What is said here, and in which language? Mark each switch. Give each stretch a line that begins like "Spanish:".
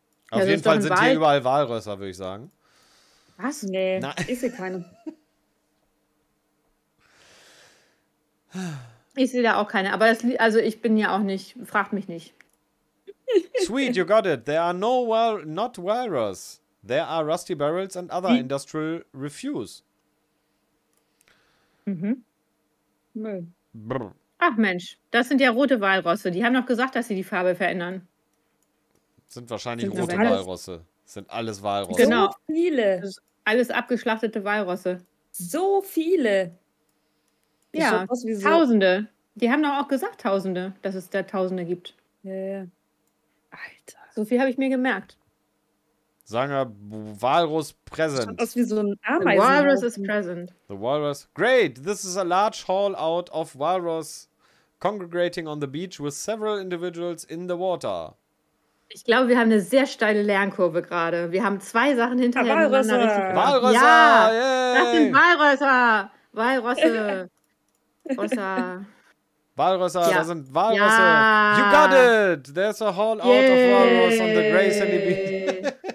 German: Auf jeden Fall sind hier überall Walrösser, würde ich sagen. Was? Nee, ich sehe keine. Ich sehe da auch keine, aber das, also ich bin ja auch nicht, fragt mich nicht.
English: Sweet, you got it. There are not walrus. There are rusty barrels and other industrial refuse.
German: Mhm. Nee. Ach Mensch, das sind ja rote Walrosse. Die haben doch gesagt, dass sie die Farbe verändern. Sind wahrscheinlich sind rote Walrosse. Sind alles Walrosse. Genau. So viele. Alles abgeschlachtete Walrosse. So viele. Ja, so Tausende. Die haben doch auch gesagt, Tausende, dass es da Tausende gibt. Ja, ja. Alter. So viel habe ich mir gemerkt. Sagen wir Walrus present. Das schaut aus wie so ein Ameisen. The
English: Walrus is present. The Walrus. Great, this is a large haul out of Walrus congregating on the beach with several individuals in the water.
German: Ich glaube, wir haben eine sehr steile Lernkurve gerade. Wir haben zwei Sachen hinterher. Ja, Walrösser! Walrösser! Ja, das sind Walrösser! Walrösser! Walrösser, ja. Da sind Walrösser! Ja.
English: You got it! There's a haul out of Walrus on the Grey Sandy Beach.